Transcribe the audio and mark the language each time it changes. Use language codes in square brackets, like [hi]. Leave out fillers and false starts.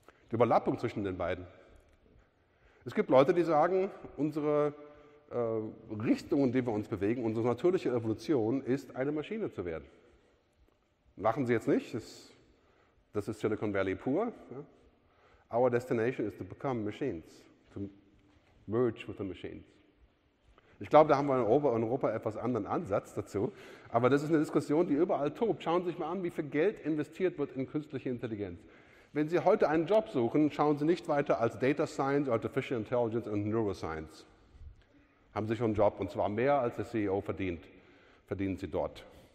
[de] Die Überlappung zwischen den beiden. Es gibt Leute, die sagen, unsere Richtung, in die wir uns bewegen, unsere natürliche Evolution ist, eine Maschine zu werden. Lachen Sie jetzt nicht, das ist Silicon Valley pur. Ja. [en] Our destination is to become machines, to merge with the machines. [de] Ich glaube, da haben wir in Europa etwas anderen Ansatz dazu, aber das ist eine Diskussion, die überall tobt. Schauen Sie sich mal an, wie viel Geld investiert wird in künstliche Intelligenz. Wenn Sie heute einen Job suchen, schauen Sie nicht weiter als Data Science, Artificial Intelligence und Neuroscience. Haben Sie schon einen Job, und zwar mehr als der CEO verdient, verdienen Sie dort.